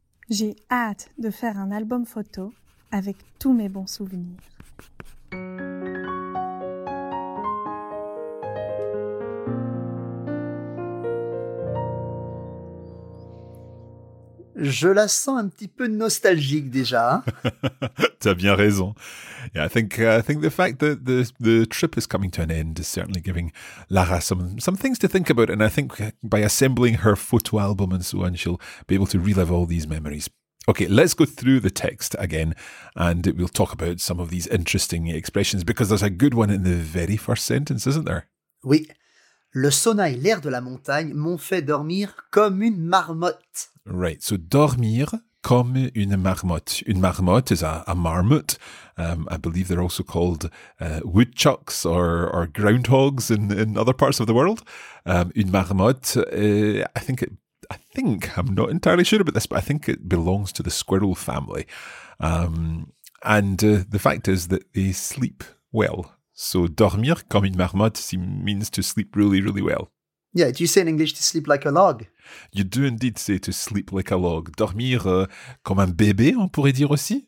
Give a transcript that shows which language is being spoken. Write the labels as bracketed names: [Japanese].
[French] J'ai hâte de faire un album photo avec tous mes bons souvenirs. Je la sens un petit peu nostalgique déjà. Tu as bien raison. [English] Yeah, I think the fact that the trip is coming to an end is certainly giving Lara some things to think about, and I think by assembling her photo album and so on, she'll be able to relive all these memories. Okay, let's go through the text again and we'll talk about some of these interesting expressions because there's a good one in the very first sentence, isn't there? [French] Oui. Le sauna et l'air de la montagne m'ont fait dormir comme une marmotte. [English] Right, so [French] dormir comme une marmotte. Une marmotte [English] is a marmot. I believe they're also called woodchucks or groundhogs in other parts of the world. [French] Une marmotte, [English] I think, I'm not entirely sure about this, but I think it belongs to the squirrel family. And the fact is that they sleep well. So [French] dormir comme une marmotte [English] means to sleep really, really well. Yeah, do you say in English to sleep like a log? You do indeed say to sleep like a log. [French] Dormir comme un bébé, on pourrait dire aussi.